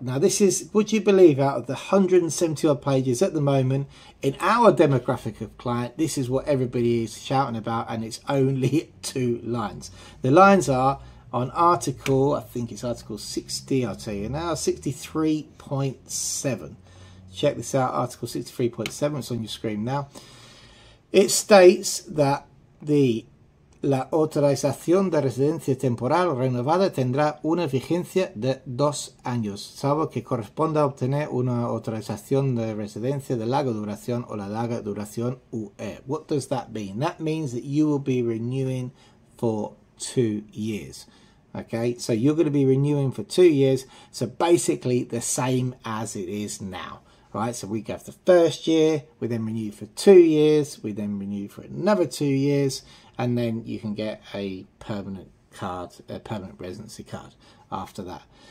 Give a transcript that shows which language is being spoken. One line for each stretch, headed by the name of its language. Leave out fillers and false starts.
English: Now, this is, would you believe, out of the 170 odd pages at the moment, in our demographic of client, this is what everybody is shouting about, and it's only two lines. The lines are on article, I think it's article 60, I'll tell you now, 63.7. Check this out, article 63.7, it's on your screen now. It states that the
Spanish: La autorización de residencia temporal renovada tendrá una vigencia de 2 años, salvo que corresponda obtener una autorización de residencia de larga duración o la larga duración UE.
English: What does that mean? That means that you will be renewing for 2 years. Okay, so you're going to be renewing for 2 years. So basically the same as it is now. Right, so we have the first year, we then renew for 2 years, we then renew for another 2 years, and then you can get a permanent card, a permanent residency card after that.